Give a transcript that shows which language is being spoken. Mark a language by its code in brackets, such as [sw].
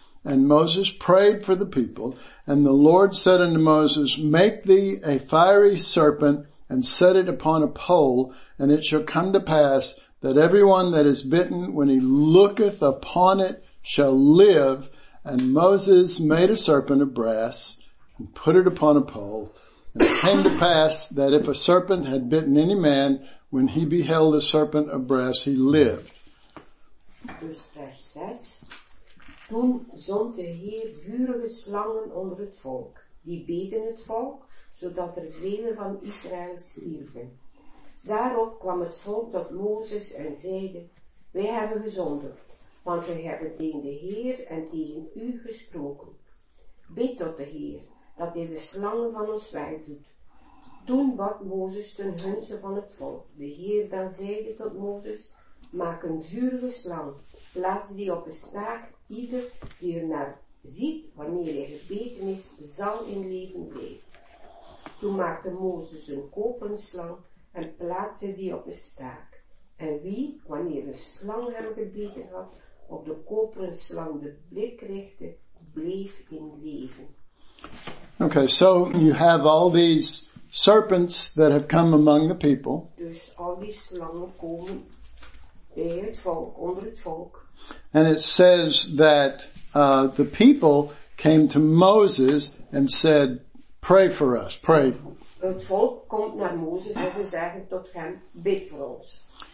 [en] And Moses prayed for the people, and the Lord said unto Moses, "Make thee a fiery serpent, and set it upon a pole, and it shall come to pass that everyone that is bitten, when he looketh upon it, shall live." And Moses made a serpent of brass and put it upon a pole. And it came to pass that if a serpent had bitten any man, when he beheld the serpent of brass, he lived. [nl] Dus vers 6. Toen zond de Heer vurige slangen onder het volk, die beten het volk, zodat er velen van Israël stierven. Daarop kwam het volk tot Mozes en zeide: "Wij hebben gezondigd, want wij hebben tegen de Heer en tegen u gesproken. Bid tot de Heer, dat hij de slangen van ons wegdoet." Toen bad Mozes ten gunste van het volk. De Heer dan zeide tot Mozes: "Maak een vurige slang, plaats die op een staak, ieder die er naar ziet, wanneer hij gebeten is, zal in leven blijven." Toen maakte Mozes een koperen slang en plaatste die op een staak. En wie, wanneer de slang hem gebeten had, op de koperen slang de blik richtte, bleef in leven. [en] Okay, so you have all these serpents that have come among the people. [nl] Dus al die slangen komen bij het volk, onder het volk. [en] And it says that the people came to Moses and said, "Pray for us, pray." [nl] Het volk komt naar Mozes en ze zeggen tot hem, bid voor ons.